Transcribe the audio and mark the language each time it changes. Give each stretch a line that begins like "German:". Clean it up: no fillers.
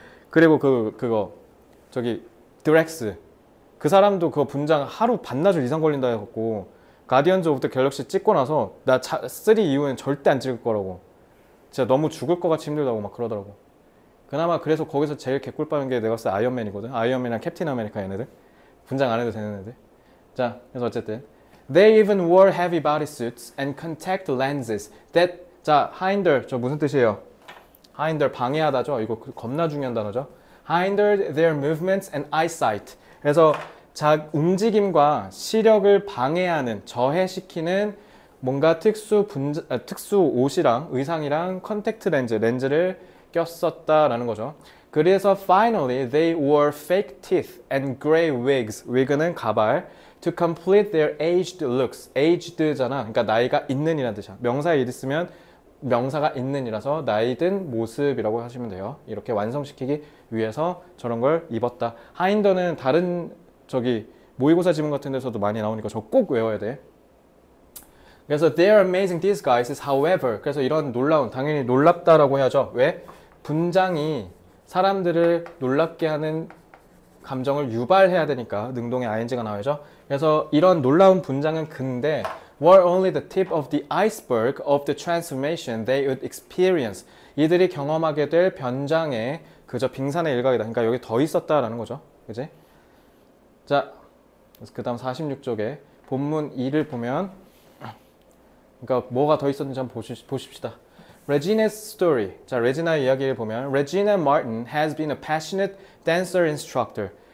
Korean: 그리고 그거, 저기, 드렉스. 그 사람도 그거 분장 하루 반나절 이상 걸린다 해갖고, 가디언즈 오브 더 갤럭시 찍고 나서, 나3 이후엔 절대 안 찍을 거라고. 진짜 너무 죽을 것 같이 힘들다고 막 그러더라고. 그나마 그래서 거기서 제일 개꿀 빠는 게 내가 쓴 아이언맨이거든. 아이언맨이랑 캡틴 아메리카 얘네들. 분장 안 해도 되는 애들. 자, 그래서 어쨌든.
English: They even wore heavy body suits and contact lenses. That,
Korean: 자, hinder, 저 무슨 뜻이에요? hinder, 방해하다죠? 이거 겁나 중요한 단어죠?
English: hinder their movements and eyesight.
Korean: 그래서 자, 움직임과 시력을 방해하는, 저해시키는 뭔가 특수 옷이랑 의상이랑 컨택트 렌즈를 꼈었다라는 거죠. 그래서
English: finally they wore fake teeth and gray wigs. wig는
Korean: 가발.
English: to complete their aged looks. aged잖아.
Korean: 그러니까 나이가 있는이란 뜻이야. 명사에 이리 쓰면 명사가 있는이라서 나이든 모습이라고 하시면 돼요. 이렇게 완성시키기 위해서 저런 걸 입었다. 하인더는 다른 저기 모의고사 지문 같은 데서도 많이 나오니까 저꼭 외워야 돼. 그래서
English: they are amazing disguises, however.
Korean: 그래서 이런 놀라운, 당연히 놀랍다라고 해야죠. 왜? 분장이 사람들을 놀랍게 하는 감정을 유발해야 되니까 능동의 ing가 나와야죠. 그래서 이런 놀라운 분장은 근데
English: were only the tip of the iceberg of the transformation they would experience.
Korean: 이들이 경험하게 될 변장의 그저 빙산의 일각이다. 그러니까 여기 더 있었다라는 거죠. 그지? 자, 그 다음 46쪽에 본문 2를 보면, 그러니까 뭐가 더 있었는지 한번 보십시다.
English: Regina's story.
Korean: 자, 레지나의 이야기를 보면,
English: Regina Martin has been a passionate dancer instructor.